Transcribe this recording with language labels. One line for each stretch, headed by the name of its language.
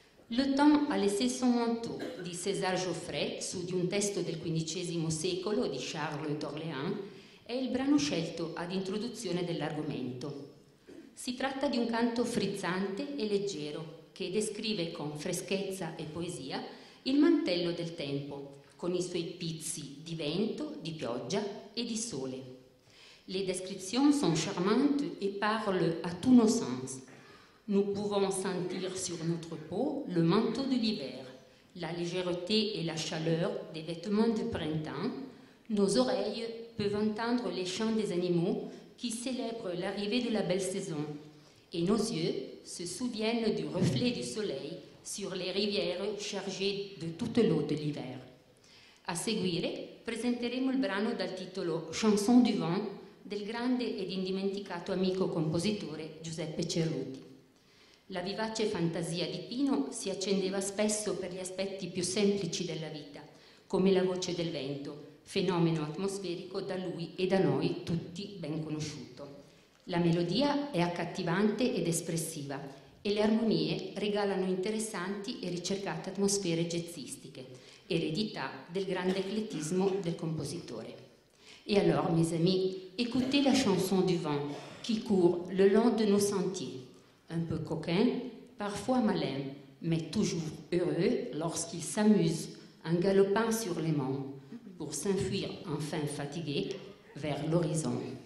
Italian: Le temps a laissé son manteau di César Geoffrey su di un testo del XV secolo di Charles d'Orléans è il brano scelto ad introduzione dell'argomento. Si tratta di un canto frizzante e leggero che descrive con freschezza e poesia il mantello del tempo con i suoi pizzi di vento, di pioggia e di sole.
French: Les descriptions sont charmantes et parlent à tous nos sens. Nous pouvons sentir sur notre peau le manteau de l'hiver, la légèreté et la chaleur des vêtements de printemps. Nos oreilles peuvent entendre les chants des animaux qui célèbrent l'arrivée de la belle saison. Et nos yeux se souviennent du reflet du soleil sur les rivières chargées de toute l'eau de l'hiver.
Italian: A seguire, presenteremo il brano dal titolo Chanson du vent del grande ed indimenticato amico compositore Giuseppe Cerruti. La vivace fantasia di Pino si accendeva spesso per gli aspetti più semplici della vita, come la voce del vento, fenomeno atmosferico da lui e da noi tutti ben conosciuto. La melodia è accattivante ed espressiva e le armonie regalano interessanti e ricercate atmosfere jazzistiche, eredità del grande eclettismo del compositore.
French: Et alors, mes amis, écoutez la chanson du vent qui court le long de nos sentiers. Un peu coquin, parfois malin, mais toujours heureux lorsqu'il s'amuse en galopant sur les monts pour s'enfuir enfin fatigué vers l'horizon.